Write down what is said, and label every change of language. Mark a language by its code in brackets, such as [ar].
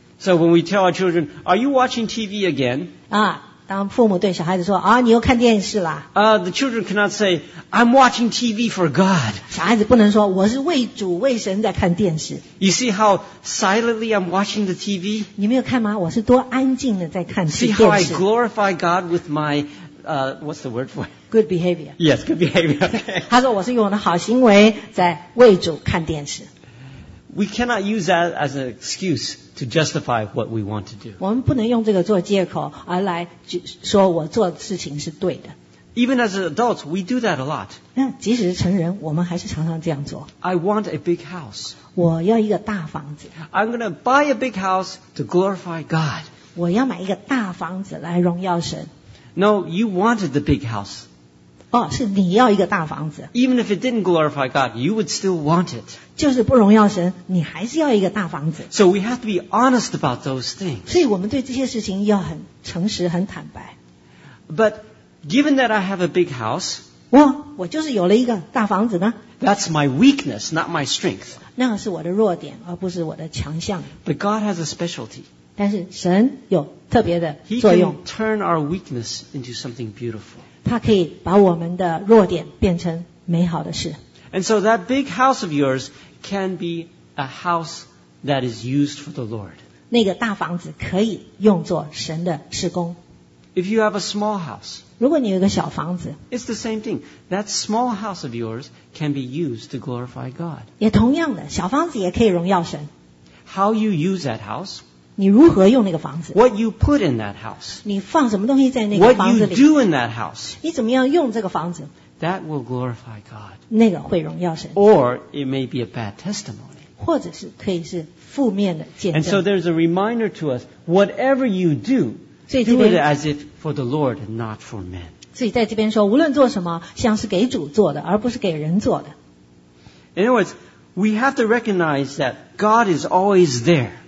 [en] ？So when we tell our children, "Are you watching TV again?" [zh] 啊，当父母对小孩子说，啊，你又看电视了。 [en] The children cannot say, "I'm watching TV for God." [zh] 小孩子不能说我是为主为神在看电视。 [en] You see how silently I'm watching the TV? [zh] 你没有看吗？我是多安静的在看电视。 [en] See how I glorify God with my, what's the word for it? Good behavior. Yes, good behavior. Okay. [zh] 他说我是用我的好行为在为主看电视。 [en] We cannot use that as an excuse to justify what we want to do. [zh] 我们不能用这个做借口而来说我做的事情是对的。 [en] Even as adults, we do that a lot. [zh] 即使是成人，我们还是常常这样做。 [en] I want a big house. [zh] 我要一个大房子。 [en] I'm going to buy a big house to glorify God. [zh] 我要买一个大房子来荣耀神。 [en] No, you wanted the big house. [zh] 哦，是你要一个大房子。 [en] Even if it didn't glorify God, you would still want it. [zh] 就是不荣耀神，你还是要一个大房子。 [en] So we have to be honest about those things. [zh] 所以我们对这些事情要很诚实，很坦白。 [en] But given that I have a big house, [zh] 我就是有了一个大房子呢。 [en] That's my weakness, not my strength. [zh] 那是我的弱点，而不是我的强项。 [en] But God has a specialty. [zh] 但是神有特别的作用。 [en] He can turn our weakness into something beautiful. [zh] 他可以把我们的弱点变成美好的事。 [en] And so that big house of yours can be a house that is used for the Lord. [zh] 那个大房子可以用作神的事工。 [en] If you have a small house, [zh] 如果你有一个小房子 [en] it's the same thing. That small house of yours can be used to glorify God. [zh] 也同样的，小房子也可以荣耀神。 [en] How you use that house? [zh] 你如何用那个房子 [en] ？What you put in that house？ [zh] 你放什么东西在那个房子里 [en] ？What you do in that house？ [zh] 你怎么样用这个房子 [en] ？That will glorify God。 [zh] 那个会荣耀神。 [en] Or it may be a bad testimony。 [zh] 或者是可以是负面的见证。 [en] And so there's a reminder to us: whatever you do, do it as if for the Lord and not for men。 [zh] 所以在这边说，无论做什么，像是给主做的，而不是给人做的。 [en] In other words, we have to recognize that God is always there.